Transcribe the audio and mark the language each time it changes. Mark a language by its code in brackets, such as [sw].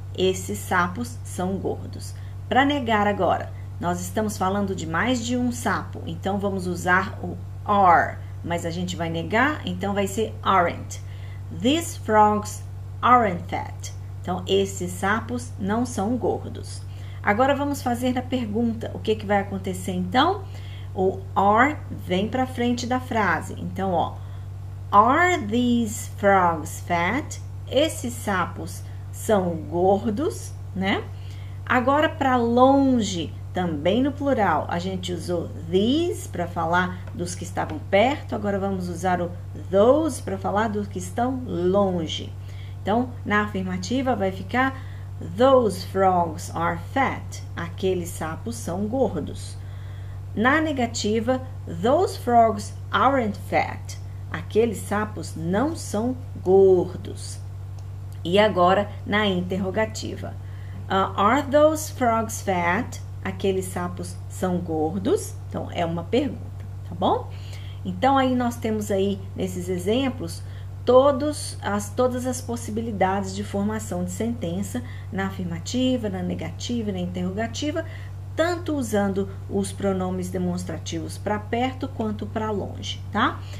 [pt] Esses sapos são gordos. Para negar agora, nós estamos falando de mais de um sapo, então vamos usar o are, mas a gente vai negar, então vai ser aren't. [en] These frogs aren't fat. [pt] Então, esses sapos não são gordos. Agora vamos fazer a pergunta: o que que vai acontecer então? O are vem para frente da frase. Então, ó, [en] are these frogs fat? [pt] Esses sapos são gordos, né? Agora, para longe, também no plural, a gente usou these para falar dos que estavam perto. Agora, vamos usar o those para falar dos que estão longe. Então, na afirmativa, vai ficar: [en] Those frogs are fat. [pt] Aqueles sapos são gordos. Na negativa, [en] those frogs aren't fat. [pt] Aqueles sapos não são gordos. E agora, na interrogativa: [en] Are those frogs fat? [pt] Aqueles sapos são gordos? Então, é uma pergunta, tá bom? Então, aí nós temos aí nesses exemplos todas as possibilidades de formação de sentença na afirmativa, na negativa, na interrogativa, tanto usando os pronomes demonstrativos para perto quanto para longe, tá?